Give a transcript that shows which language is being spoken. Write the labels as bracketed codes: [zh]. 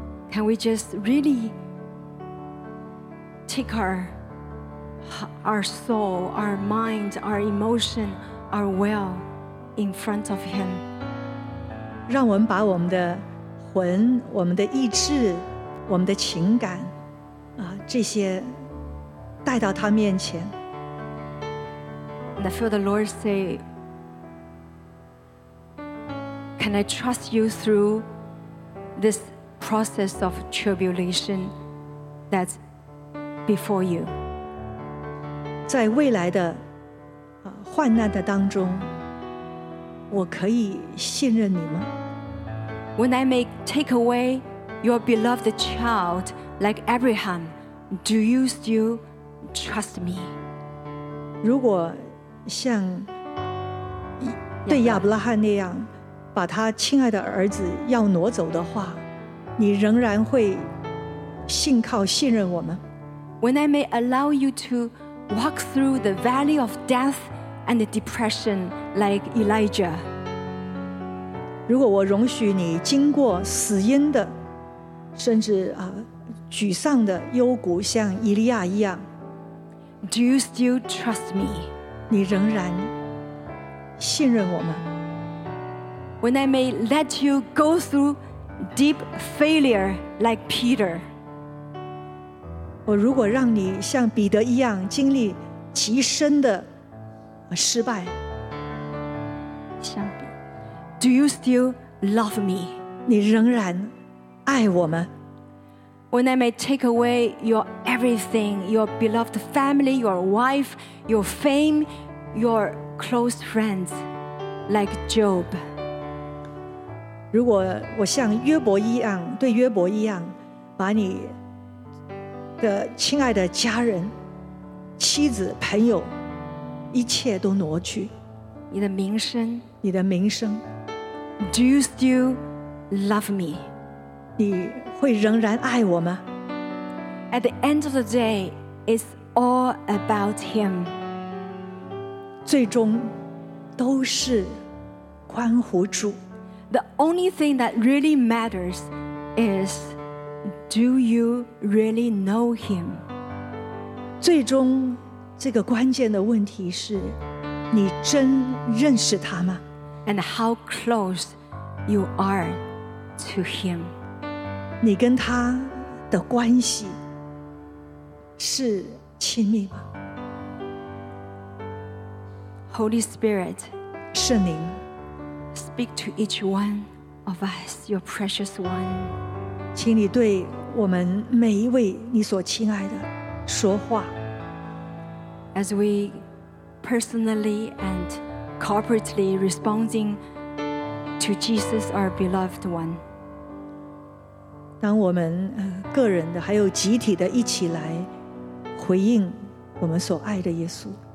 [en] can we just really take our soul, our mind, our emotion, our will in front of Him? [zh] 让我们把我们的魂、我们的意志我们的情感这些带到他面前。 [en] And I feel the Lord say, Can I trust you through this process of tribulation that's before you. [zh] 在未来的患难的当中，我可以信任你吗？ [en] When I may take away your beloved child like Abraham, do you still trust me? [zh] 如果像对亚伯拉罕那样把他亲爱的儿子要挪走的话，你仍然会信靠信任我吗？ [en] When I may allow you to walk through the valley of death and depression like Elijah, [zh] 如果我容许你经过死荫的甚至沮丧的幽谷像以利亚一样， [en] Do you still trust me? [zh] 你仍然信任我吗？ [en] When I may let you go through deep failure like Peter, [zh] 我如果让你像彼得一样经历极深的失败，像彼得， [en] Do you still love me? [zh] 你仍然爱我吗？ [en] When I may take away your everything, your beloved family, your wife, your fame, your close friends, like Job. [zh] 如果我像约伯一样，对约伯一样，把你的亲爱的家人、妻子、朋友，一切都挪去，你的名声，你的名声。 [en] Do you still love me? [zh] 你会仍然爱我吗？ [en] At the end of the day, it's all about him. [zh] 最终都是关乎主。 [en] The only thing that really matters is, do you really know him? [zh] 最终这个关键的问题是，你真认识他吗？ [en] And how close you are to him. [zh] 你跟他的关系是亲密吗？ [en] Holy Spirit, [zh] 圣灵， [en] speak to each one of us, your precious one. [zh] 请你对我们每一位你所亲爱的说话。 [en] As we personally and corporately responding to Jesus, our beloved one. [zh] 当我们个人的还有集体的一起来回应我们所爱的耶稣。